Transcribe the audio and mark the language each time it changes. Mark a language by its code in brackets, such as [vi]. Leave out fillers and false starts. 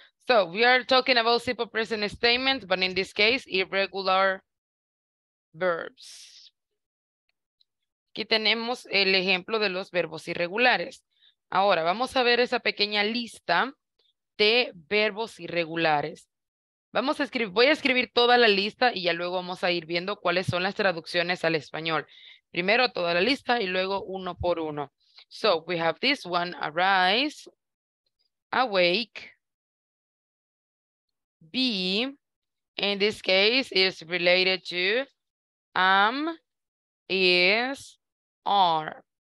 [en] So we are talking about simple present statements, but in this case, irregular verbs. [es] Aquí tenemos el ejemplo de los verbos irregulares. Ahora vamos a ver esa pequeña lista de verbos irregulares. Vamos a escribir, voy a escribir toda la lista y ya luego vamos a ir viendo cuáles son las traducciones al español. Primero toda la lista y luego uno por uno. [en] So, we have this one, arise, awake, be, in this case, is related to am, is, are.